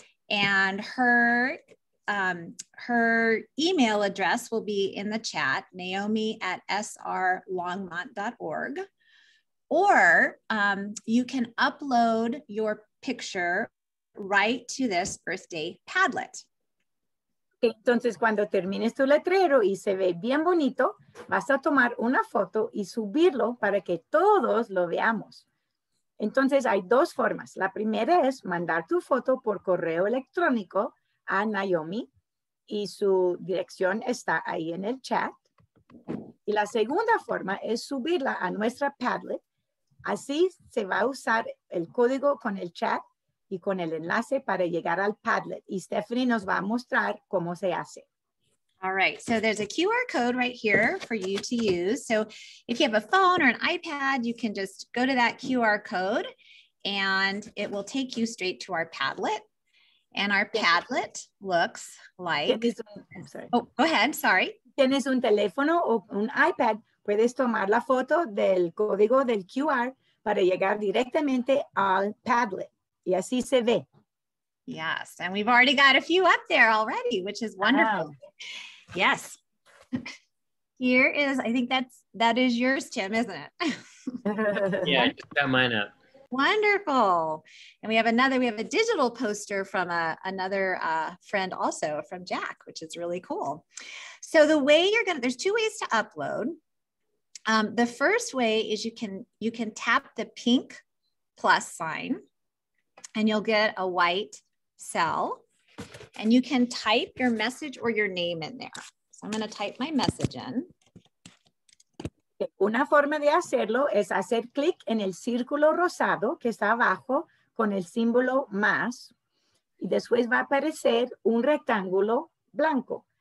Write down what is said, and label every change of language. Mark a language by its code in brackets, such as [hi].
[en] And her email address will be in the chat, naomi@srlongmont.org. Or you can upload your picture right to this Earth Day Padlet. [es] Entonces, cuando termines tu letrero y se ve bien bonito, vas a tomar una foto y subirlo para que todos lo veamos. Entonces, hay dos formas. La primera es mandar tu foto por correo electrónico a Naomi y su dirección está ahí en el chat. Y la segunda forma es subirla a nuestra Padlet. Así se va a usar el código con el chat y con el enlace para llegar al Padlet. Y Stephanie nos va a mostrar cómo se hace. [en] All right, so there's a QR code right here for you to use. So if you have a phone or an iPad, you can just go to that QR code and it will take you straight to our Padlet. And our Padlet looks like... [es] Tienes un teléfono o un iPad, puedes tomar la foto del código del QR para llegar directamente al Padlet. Y así se ve. [en] Yes, and we've already got a few up there already, which is wonderful. Yes. Here is, I think that is yours, Tim, isn't it? Yeah, I just got mine up. Wonderful. And we have a digital poster from another friend also from Jack, which is really cool. So there's two ways to upload. The first way is you can tap the pink plus sign, and you'll get a white cell, and you can type your message or your name in there. So I'm going to type my message in. [es] Una forma de hacerlo es hacer clic en el círculo rosado que está abajo con el símbolo más. Y después va a aparecer un rectángulo blanco.